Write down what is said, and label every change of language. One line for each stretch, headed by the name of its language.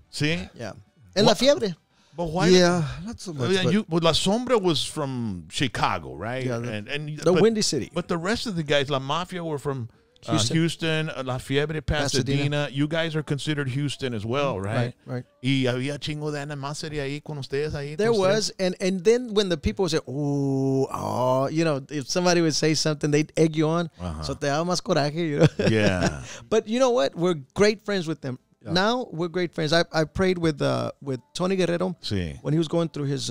English: See? Yeah. And La Fiebre. But why? Yeah, not so much. But La Sombra was from Chicago, right? Yeah, the Windy City. But the rest of the guys, La Mafia, were from Houston, La Fiebre, Pasadena. You guys are considered Houston as well, right? Right.
Spanish: Y había chingo de animosity ahí con ustedes ahí.
English: There was, and then when the people would say, oh, you know, if somebody would say something, they'd egg you on.
Spanish: Uh-huh. So te daba más coraje,
English: you know? Yeah. But you know what? We're great friends with them. Yeah. Now we're great friends. I prayed with Tony Guerrero when he was going through his